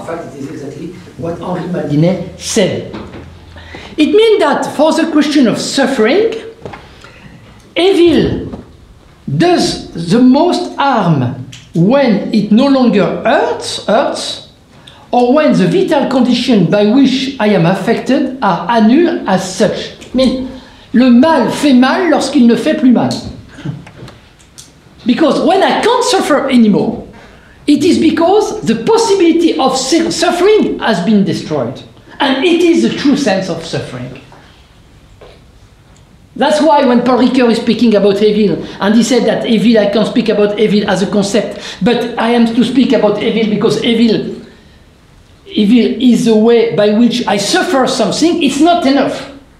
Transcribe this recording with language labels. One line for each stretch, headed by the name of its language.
English: In fact, it is exactly what Henri Maldinet said. It means that for the question of suffering, evil does the most harm when it no longer hurts, or when the vital conditions by which I am affected are annulled as such. I mean,
French: le mal fait mal lorsqu'il ne fait plus mal.
English: Because when I can't suffer anymore, it is because the possibility of suffering has been destroyed. And it is the true sense of suffering. That's why when Paul Ricoeur is speaking about evil, and he said that evil, I can't speak about evil as a concept, but I am to speak about evil because evil is the way by which I suffer something, it's not enough.